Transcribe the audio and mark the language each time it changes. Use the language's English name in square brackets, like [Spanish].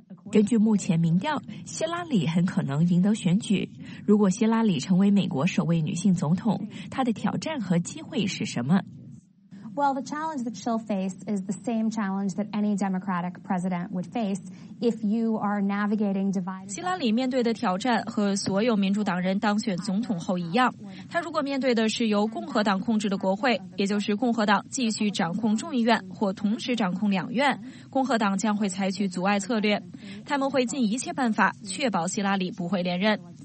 [Chinese] 根据目前民调，希拉里很可能赢得选举。如果希拉里成为美国首位女性总统，她的挑战和机会是什么？ [English] Well, the challenge that she'll face is the same challenge that any Democratic president would face if you are navigating divided. [Chinese] 希拉里面对的挑战和所有民主党人当选总统后一样，他如果面对的是由共和党控制的国会，也就是共和党继续掌控众议院或同时掌控两院，共和党将会采取阻碍策略，他们会尽一切办法确保希拉里不会连任。